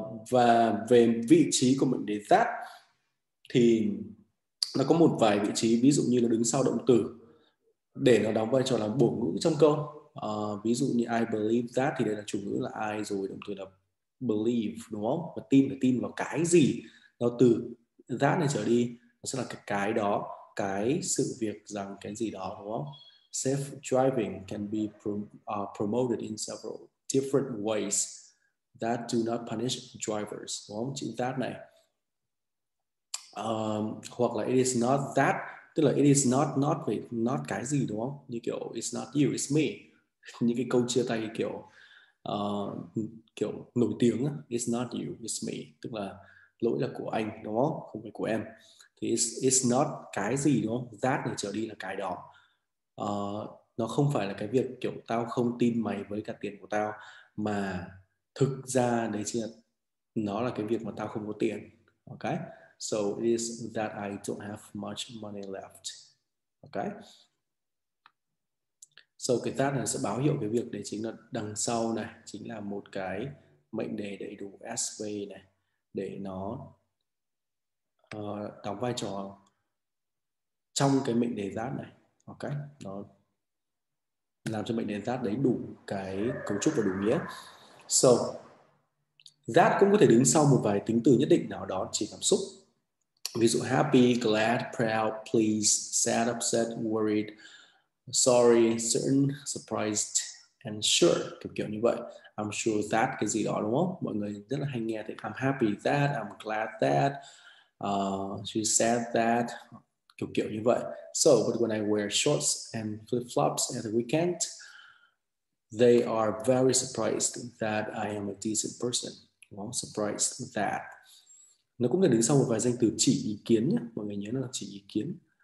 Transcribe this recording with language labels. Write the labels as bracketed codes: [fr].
[vi] Và về vị trí của mệnh đề that thì nó có một vài vị trí, ví dụ như nó đứng sau động từ để nó đóng vai trò là bổ ngữ trong câu. Ví dụ như [en] I believe that [vi] thì đây là chủ ngữ là I, rồi động từ là believe đúng không, và tin là tin vào cái gì, nó từ that này trở đi nó sẽ là cái đó, cái sự việc rằng cái gì đó đúng không. [en] Self driving can be promoted in several different ways that do not punish drivers [vi] đúng không, chữ that này. Hoặc là [en] it is not that, [vi] tức là [en] it is not not not [vi] cái gì đúng không, như kiểu [en] it's not you it's me, [vi] những cái câu chia tay kiểu kiểu nổi tiếng á, [en] it's not [vi] you it's me, tức là lỗi là của anh đúng không, không phải của em, thì it's not cái gì đúng không, that này trở đi là cái đó. Nó không phải là cái việc kiểu tao không tin mày với cả tiền của tao, mà thực ra đấy chính là nó là cái việc mà tao không có tiền. Ok. [en] So it is that I don't have much money left. Okay. [vi] So cái that này sẽ báo hiệu cái việc đấy chính là đằng sau này chính là một cái mệnh đề đầy đủ SV này, để nó đóng vai trò trong cái mệnh đề that này. Ok. Nó làm cho mệnh đề that đấy đủ cái cấu trúc và đủ nghĩa. So that cũng có thể đứng sau một vài tính từ nhất định nào đó, chỉ cảm xúc. Ví dụ [en] happy, glad, proud, pleased, sad, upset, worried, sorry, certain, surprised and sure, [vi] kiểu như vậy. [en] I'm sure that [vi] cái gì đó đúng không? Mọi người rất là hay nghe thì [en] I'm happy that, I'm glad that, she said that, [vi] kiểu kiểu như vậy. [en] So, but when I wear shorts and flip-flops at the weekend, they are very surprised that I am a decent person. Well, surprised that. [vi] Nó cũng là đứng sau một vài danh từ chỉ ý kiến nhé. Mọi người nhớ là chỉ ý kiến.